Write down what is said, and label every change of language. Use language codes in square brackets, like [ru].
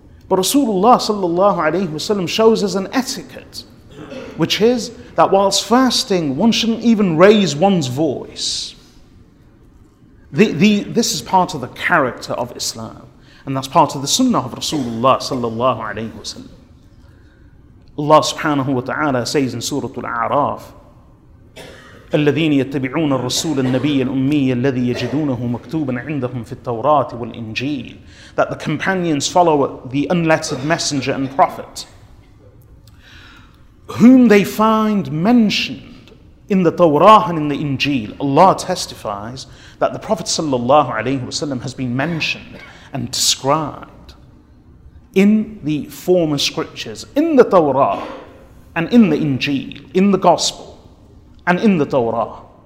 [en] But Rasulullah sallallahu alayhi wa sallam shows us an etiquette, which is that whilst fasting, one shouldn't even raise one's voice. This is part of the character of Islam, and that's part of the sunnah of Rasulullah sallallahu alayhi wa sallam. Allah subhanahu wa ta'ala says in Surah Al-A'raf, [ar] الذين يتبعون الرسول النبي الأمي الذي يجدونه مكتوبا عندهم في التوراة والإنجيل. [en] That the companions follow the unlettered messenger and prophet, whom they find mentioned in the Torah and in the Injil. Allah testifies that the Prophet sallallahu alayhi wa sallam has been mentioned and described in the former scriptures, in the Torah and in the Injil, in the Gospel and in the Torah.